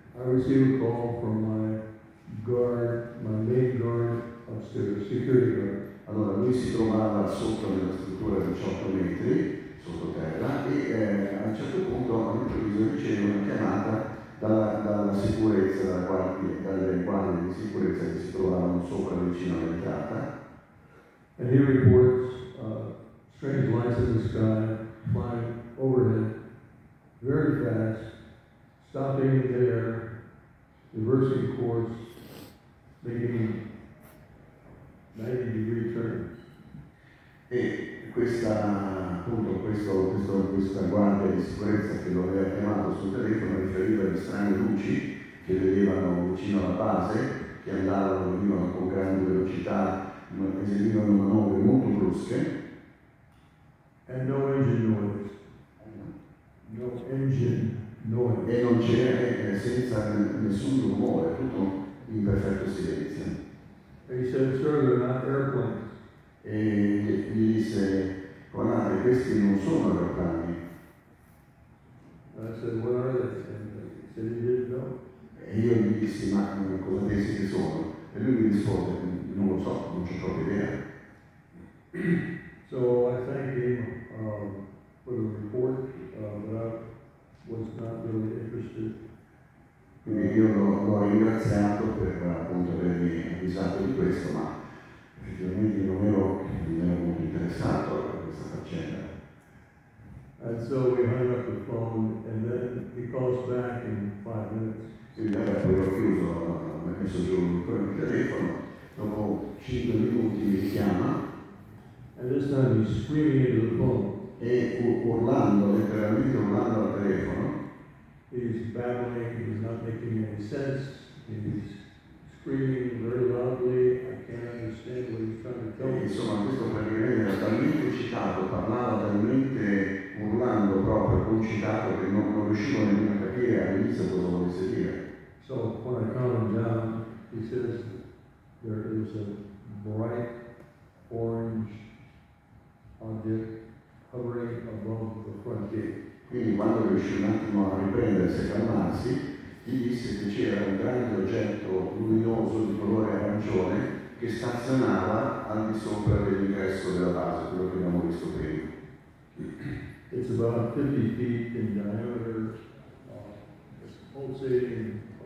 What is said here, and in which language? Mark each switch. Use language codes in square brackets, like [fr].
[en] I received a call from my guard, my main guard upstairs, security guard. [it] Allora, lui si trovava sotto nella struttura di 18 metri, sottoterra, e a un certo punto, all'improvviso, riceve una chiamata dalla sicurezza, dalle guardie di sicurezza che si trovavano sopra, vicino all'entrata. [en] And he reports strange lights in the sky, flying overhead, very fast, stopping there, reversing course, making 90 degree turns. [it] E questa, appunto, questa guardia di sicurezza che lo aveva chiamato sul telefono riferiva alle strane luci che vedevano vicino alla base, che venivano con grande velocità, ma eseguivano manovre molto brusche. [en] And no engine noise. No engine noise. [it] E non c'era senza nessun rumore, tutto in perfetto silenzio. [en] And he said, sir, they're not airplanes. [it] E gli disse, guardate, questi non sono aeroplani. [en] And I said, what are they? And he said, he didn't know. [it] E io gli dissi, ma cosa pensi che sono? E lui mi rispose, non lo so, non c'ho proprio idea. [en] So I thanked him for the report, but I was not really interested. [it] Quindi io l'ho ringraziato per appunto avermi avvisato di questo, ma effettivamente non ero molto interessato a questa faccenda. [en] And so we hung up the phone and then he calls back in 5 minutes. [it] Quindi allora poi ho chiuso, mi ha messo giù ancora il telefono, dopo 5 minuti mi chiama. [en] And this time he's screaming into the phone. [it] E urlando, letteralmente urlando al telefono. [en] He's babbling, he's not making any sense, he's screaming very loudly, I can't understand what he's trying to tell me. [it] Insomma, questo praticamente era talmente eccitato, parlava talmente urlando proprio, concitato, che non riuscivo nemmeno a capire all'inizio cosa volesse dire. [en] So, when I calm him down, he says there is a bright orange object hovering above the front gate. [it] Quindi quando riuscì un attimo a riprendersi e calmarsi, gli disse che c'era un grande oggetto luminoso di colore arancione che stazionava al di sopra dell'ingresso della base, quello che abbiamo visto prima. [en] It's about 50 feet in diameter, pulsating.